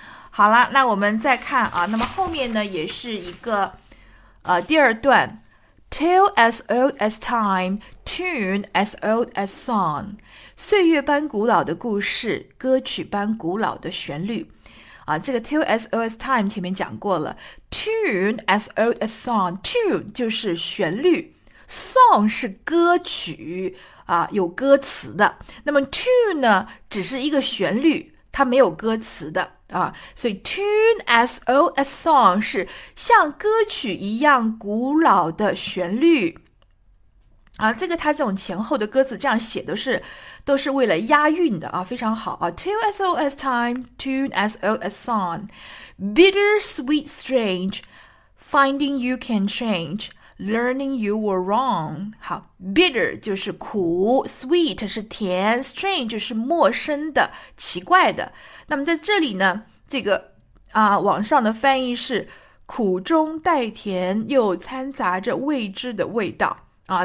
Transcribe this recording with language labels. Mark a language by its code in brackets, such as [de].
[zh] 好啦，那我们再看啊，那么后面呢也是一个，第二段， [en] till as old as time，tune as old as song， [zh] 岁月般古老的故事，歌曲般古老的旋律。啊，这个 [en] till as old as time [zh] 前面讲过了， [en] tune as old as song， [zh] tune 就是旋律。 Song 是歌曲啊，有歌词的。那么 tune 呢，只是一个旋律，它没有歌词的啊。所以 [en] tune as old as song [zh] 是像歌曲一样古老的旋律啊。这个它这种前后的歌词这样写都是为了押韵的啊，非常好啊。 [en] Till as old as time，tune as old as song，bitter sweet strange，finding you can change。 Learning you were wrong， [zh] 好，bitter 就是苦，sweet 是甜，strange 就是陌生的、奇怪的。那么在这里呢，这个网上的翻译是苦中带甜，又掺杂着未知的味道啊。